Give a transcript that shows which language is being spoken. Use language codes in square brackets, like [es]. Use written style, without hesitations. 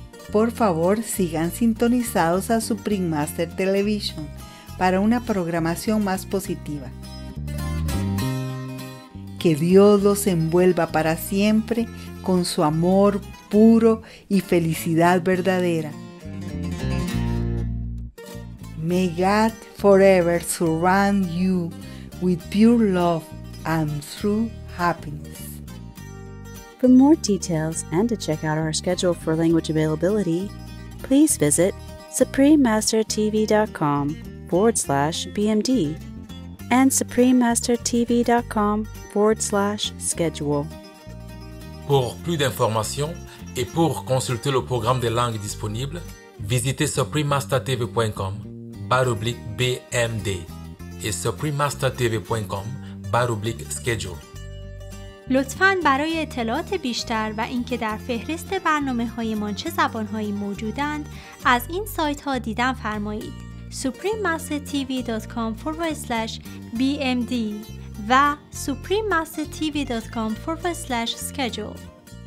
[es] Por favor, sigan sintonizados a Supreme Master Television para una programación más positiva. Que Dios los envuelva para siempre con su amor puro y felicidad verdadera. [en] May God forever surround you with pure love and true happiness. For more details and to check out our schedule for language availability, please visit suprememastertv.com/BMD and suprememastertv.com/schedule. [fr] Pour plus d'informations et pour consulter le programme des langues disponibles, visitez suprememastertv.com/BMD et suprememastertv.com/schedule. [fa] لطفاً برای اطلاعات بیشتر و اینکه در فهرست برنامه‌های ما چه زبان‌هایی موجودند از این سایت‌ها دیدن فرمایید suprememastertv.com/bmd و suprememastertv.com/schedule.